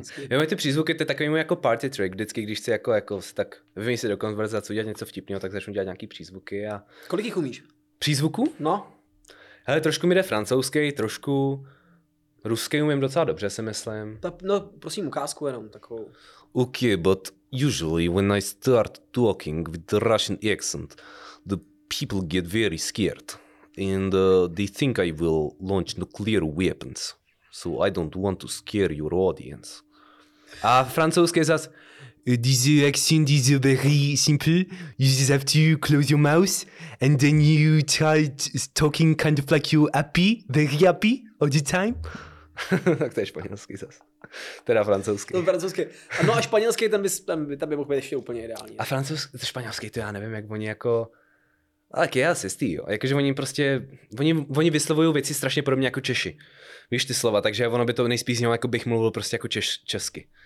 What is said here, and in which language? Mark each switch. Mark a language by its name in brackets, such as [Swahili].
[Czech] Jo, ty přízvuky, to je takový jako party trick, vždycky, když chci jako tak vymyslit do konverzace, udělat něco vtipného, tak začnu dělat nějaký přízvuky a... Kolik jich umíš? Přízvuku? No. Hele, trošku mi jde francouzský, trošku ruský umím docela dobře, si myslím. No, prosím, ukázku jenom takovou. [English] Okay, but usually when I start talking with the Russian accent, the people get very scared. And they think I will launch nuclear weapons, so I don't want to scare your audience. [Czech] A francouzské zas, [English] this accent is very simple, you just have to close your mouth, and then you try talking kind of like you're happy, very happy, all the time. [Czech] Tak to je španělský zas. Teda francouzský. Francouzský. No a španělský, ten by mohl být ještě úplně ideální. A francouzský, to španělský, to já nevím, jak oni jako... Ale je asi stý, jo. Jakože oni prostě, oni vyslovují věci strašně podobně jako Češi. Víš ty slova, takže ono by to nejspíš znělo, jako bych mluvil prostě jako česky.